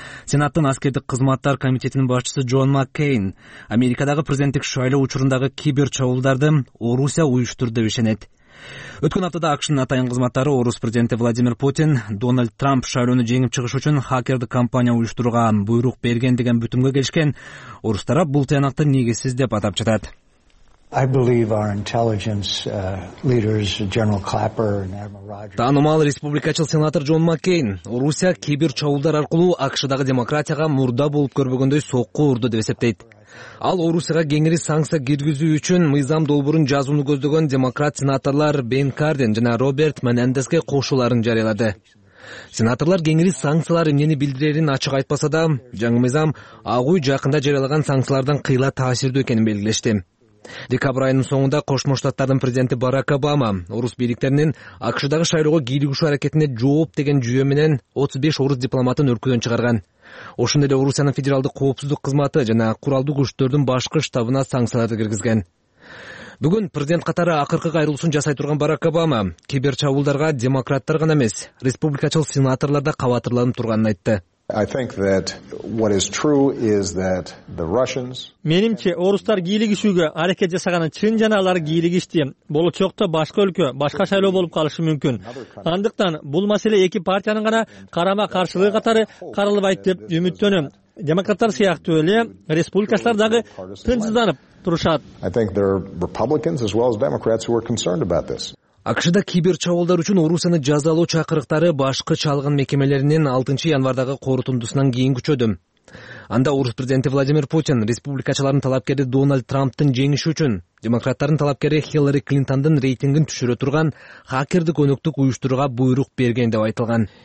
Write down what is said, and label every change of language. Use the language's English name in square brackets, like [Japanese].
[Kyrgyz] Сенаттын аскердик кызматтар комитетинин башчысы Джон Маккейн Америкадагы президенттик шайлоо учурундагы кибер чабуулдарды Орусия уюштурду деп ишенет. Өткөн аптада АКШнын атайын кызматтары Орус президенти Владимир Путин Дональд Трамп шайлоону жеңип чыгыш үчүн хакердик компания уюштурууга буйрук берген деген бүтүмгө келишкен. Орус тарап бул тыянакты негизсиз деп атап жатат. [English] I believe our intelligence leaders General Clapper and Admiral Rogers. [Kyrgyz] Таанымал республикачыл сенатор Джон Маккейн Орусия кибер чабуулдар аркылуу АКШдагы демократияга мурда болуп көрбөгөндөй сокку урду деп эсептейт. Ал Орусияга кеңири санкция киргизүү үчүн мыйзам долбоорун жазууну көздөгөн демократ сенаторлор Бен Карден жана Роберт Менендеске кошууларын жарыялады. Сенаторлор кеңири санкциялар эмнени билдирерин ачык айтпаса да, жаңы мыйзам Ак Үй жакында жарыялаган санкциялардан кыйла таасирдүү экенин белгилешти. Декабрь айынын соңунда Кошмо Штаттардын президенти Барак Обама орус бийликтеринин АКШдагы шайлоого кийлигүүшү аракетине жооп деген жүйө менен 35 орус дипломатын өлкөдөн чыгарган. Ошондой эле Орусиянын федералдык коопсуздук кызматы жана куралдуу күчтөрдүн башкы штабына санкцияларды киргизген. Бүгүн президент катары акыркы кайрылуусун жасай турган Барак Обама кибер чабуулдарга демократтар гана эмес, республикачыл сенаторлор да кабатырланып турганын айтты. [English] I think that what is true is that the Russians [Kyrgyz] Менимче орустар кийлигишүүгө аракет жасаганы чын жана алар кийлигишти. Болочокто башка өлкө, башка шайлоо болуп калышы мүмкүн. Андыктан бул маселе эки партиянын гана карама-каршылыгы катары карылбайт деп үмүттөнөм. Демократтар сыяктуу эле республикачылар дагы тынчсызданып турушат. [English] I think there are Republicans as well as Democrats who are concerned about this. [Kyrgyz] АКШда кибер чабуулдар үчүн Орусияны жазалоо чакырыктары башкы чалгын мекемелеринин 6 январдагы корутундусунан кийин күчөдү. Анда орус президенти Владимир Путин республикачылардын талапкери Дональд Трамптын жеңиши үчүн демократтардын талапкери Хиллари Клинтондун рейтингин түшүрө турган хакердик өнөктүк уюштурууга буйрук берген деп айтылган.